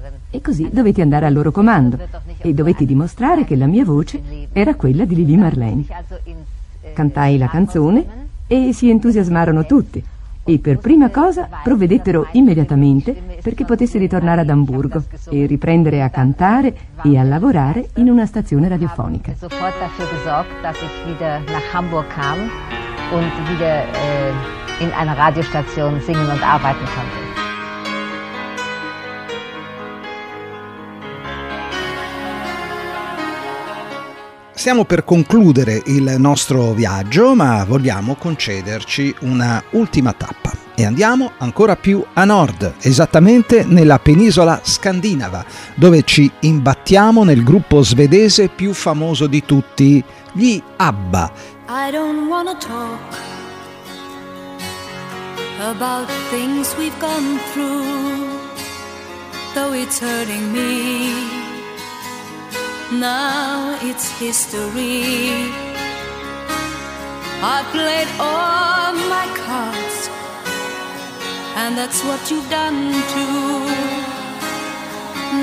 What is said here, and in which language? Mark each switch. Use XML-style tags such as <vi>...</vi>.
<it>E così dovetti andare al loro comando e dovetti dimostrare che la mia voce era quella di Lili Marlene. Cantai la canzone e si entusiasmarono tutti. e per prima cosa provvedettero immediatamente perché potesse ritornare ad Amburgo e riprendere a cantare e a lavorare in una stazione radiofonica.</it> <de>Sofort dafür gesorgt, dass ich wieder nach Hamburg kam und wieder in einer Radiostation singen und arbeiten konnte.</de> <it>Stiamo per concludere il nostro viaggio, ma vogliamo concederci una ultima tappa. E andiamo ancora più a nord, esattamente nella penisola scandinava, dove ci imbattiamo nel gruppo svedese più famoso di tutti, gli ABBA.</it> <en>I don't wanna talk about things we've gone through, though it's hurting me. Now it's history. I've played all my cards, and that's what you've done too.</en>